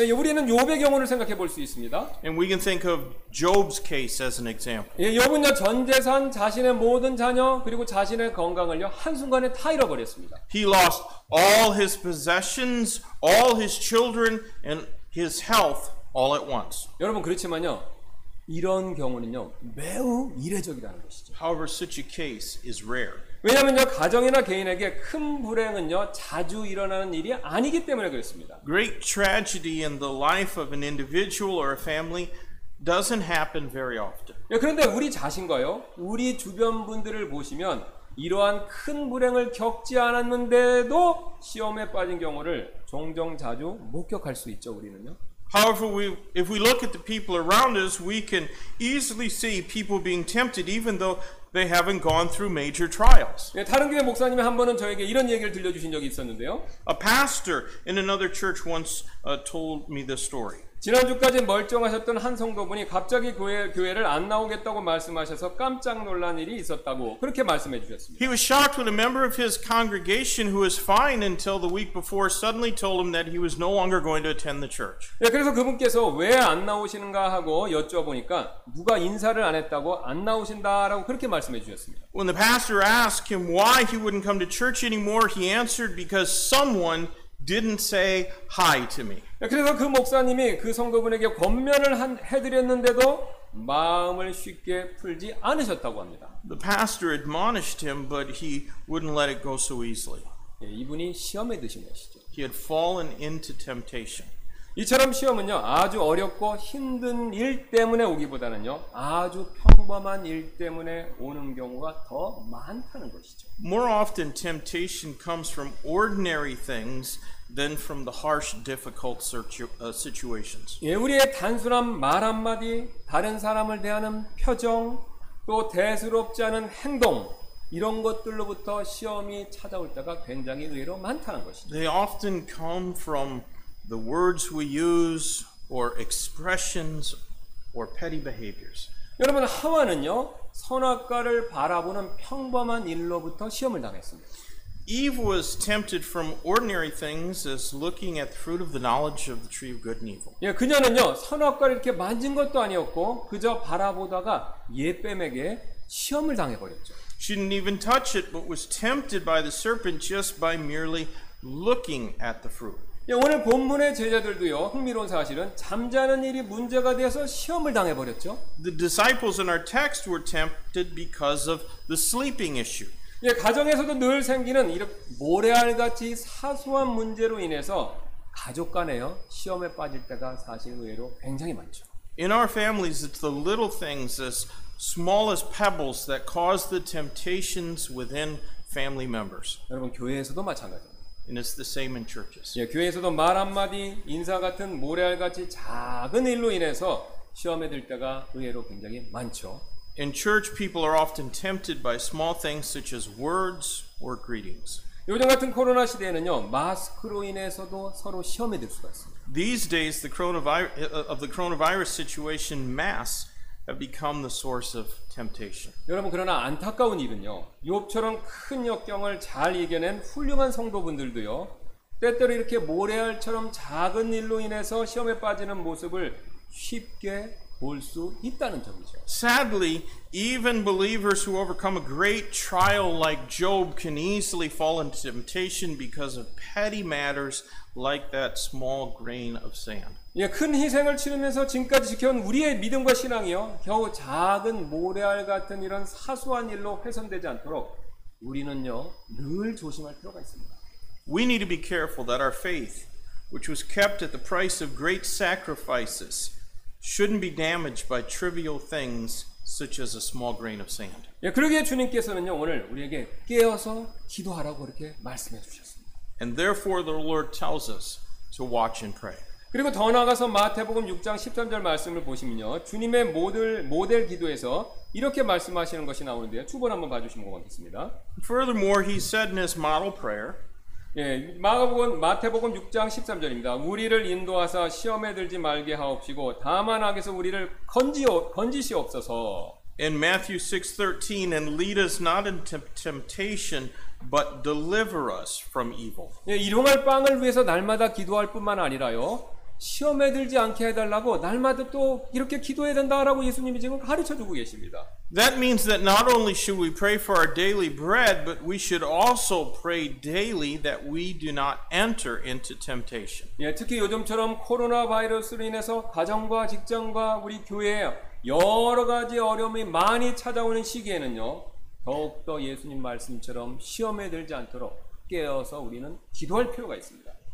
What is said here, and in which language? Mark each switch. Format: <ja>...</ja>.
<ko>예, 우리는 욥의 경우를 생각해 볼 수 있습니다.</ko> <en>And we can think of Job's case as an example.</en> <ko>예, 욥은요, 전 재산, 자신의 모든 자녀, 그리고 자신의 건강을요, 한순간에 다 잃어버렸습니다.</ko> <en>He lost all his possessions, all his children, and his health all at once.</en> <ko>여러분, 그렇지만요, 이런 경우는요, 매우 이례적이라는 것이죠.</ko> <en>However, such a case is rare.</en> <ko>왜냐면요, 가정이나 개인에게 큰 불행은요, 자주 일어나는 일이 아니기 때문에 그렇습니다.</ko> <en>Great tragedy in the life of an individual or a family doesn't happen very often.</en> <ko>예, 그런데 우리 자신과요, 우리 주변 분들을 보시면 이러한 큰 불행을 겪지 않았는데도 시험에 빠진 경우를 종종 자주 목격할 수 있죠, 우리는요.</ko> <en>However, if we look at the people around us, we can easily see people being tempted even though they haven't gone through major trials.</en> <ko>예, 다른 교회 목사님이 한 번은 저에게 이런 얘기를 들려주신 적이 있었는데요.</ko> <en>A pastor in another church once told me this story.</en> <ko>지난주까지 멀쩡하셨던 한 성도분이 갑자기 교회를 안 나오겠다고 말씀하셔서 깜짝 놀란 일이 있었다고 그렇게 말씀해 주셨습니다.</ko> <en>He was shocked when a member of his congregation who was fine until the week before suddenly told him that he was no longer going to attend the church.</en> <ko>예, 그래서 그분께서 왜 안 나오시는가 하고 여쭤보니까 누가 인사를 안 했다고 안 나오신다라고 그렇게 말씀해 주셨습니다.</ko> <en>When the pastor asked him why he wouldn't come to church anymore, he answered because someone didn't say hi to me.</en> <ko>그래서 그 목사님이 그 성도분에게 권면을 해드렸는데도 마음을 쉽게 풀지 않으셨다고 합니다.</ko> <en>The pastor admonished him, but he wouldn't let it go so easily.</en> <ko>예, 이분이 시험에 드신 것이죠.</ko> <en>He had fallen into temptation.</en> <ko>이처럼 시험은요 아주 어렵고 힘든 일 때문에 오기보다는요 아주 평범한 일 때문에 오는 경우가 더 많다는 것이죠.</ko> <en>More often temptation comes from ordinary things than from the harsh, difficult situations.</en> <ko>예, 우리의 단순한 말 한마디, 다른 사람을 대하는 표정, 또 대수롭지 않은 행동 이런 것들로부터 시험이 찾아올 때가 굉장히 의외로 많다는 것이죠.</ko> <en>They often come from the words we use or expressions or petty behaviors.</en> <ko>여러분 하와는요 선악과를 바라보는 평범한 일로부터 시험을 당했습니다.</ko> <en>Eve was tempted from ordinary things as looking at the fruit of the knowledge of the tree of good and evil.</en> <ko>예, 그녀는요 선악과를 이렇게 만진 것도 아니었고 그저 바라보다가 예뱀에게 시험을 당해 버렸죠.</ko> <en>She didn't even touch it but was tempted by the serpent just by merely looking at the fruit.</en> <ko>예, 오늘 본문의 제자들도요. 흥미로운 사실은 잠자는 일이 문제가 돼서 시험을 당해 버렸죠.</ko> <en>The disciples in our text were tempted because of the sleeping issue.</en> <ko>예, 가정에서도 늘 생기는 이렇게 모래알같이 사소한 문제로 인해서 가족 간에요. 시험에 빠질 때가 사실 의외로 굉장히 많죠.</ko> <en>In our families it's the little things as small as pebbles that cause the temptations within family members.</en> <ko>여러분 교회에서도 마찬가지.</ko> <en>And it's the same in churches.</en> <ko>예, 교회에서도 말 한마디, 인사 같은 모래알같이 작은 일로 인해서 시험에 들 때가 의외로 굉장히 많죠.</ko> <en>In church, people are often tempted by small things such as words or greetings.</en> <ko>요즘 같은 코로나 시대에는요, 마스크로 인해서도 서로 시험에 들 수가 있습니다.</ko> <en>These days, the coronavirus situation, masks have become the source of temptation.</en> <ko>여러분 그러나 안타까운 일은요, 욥처럼 큰 역경을 잘 이겨낸 훌륭한 성도분들도요, 때때로 이렇게 모래알처럼 작은 일로 인해서 시험에 빠지는 모습을 쉽게 볼 수 있다는 점이죠.</ko> <en>Sadly, even believers who overcome a great trial like Job can easily fall into temptation because of petty matters like that small grain of sand.</en> <ko>예, 큰 희생을 치르면서 지금까지 지켜온 우리의 믿음과 신앙이요, 겨우 작은 모래알 같은 이런 사소한 일로 훼손되지 않도록 우리는요, 늘 조심할 필요가 있습니다.</ko> <en>We need to be careful that our faith, which was kept at the price of great sacrifices, shouldn't be damaged by trivial things such as a small grain of sand.</en> <ko>예, 그러기에 주님께서는요 오늘 우리에게 깨어서 기도하라고 이렇게 말씀해 주셨습니다.</ko> <en>And therefore the Lord tells us to watch and pray.</en> <ko>그리고 더 나아가서 마태복음 6장 13절 말씀을 보시면요 주님의 모델 기도에서 이렇게 말씀하시는 것이 나오는데요 두 번 한번 봐주시면 고맙겠습니다.</ko> <en>Furthermore, he said in his model prayer.</en> <ko>예, 마태복음 6장 13절입니다. 우리를 인도하사 시험에 들지 말게 하옵시고 다만 악에서 우리를 건지시옵소서.</ko> <en>In Matthew 6:13, and lead us not into temptation, but deliver us from evil.</en> <ko>예, 일용할 빵을 위해서 날마다 기도할 뿐만 아니라요. 시험에 들지 않게 해달라고 날마다 또 이렇게 기도해야 된다라고 예수님이 지금 가르쳐주고 계십니다.</ko> <en>That means that not only should we pray for our daily bread, but we should also pray daily that we do not enter into temptation.</en> <ko>예, 특히 요즘처럼 코로나 바이러스로 인해서 가정과 직장과 우리 교회에 여러 가지 어려움이 많이 찾아오는 시기에는요, 더욱더 예수님 말씀처럼 시험에 들지 않도록 깨어서 우리는 기도할 필요가 있습니다.</ko>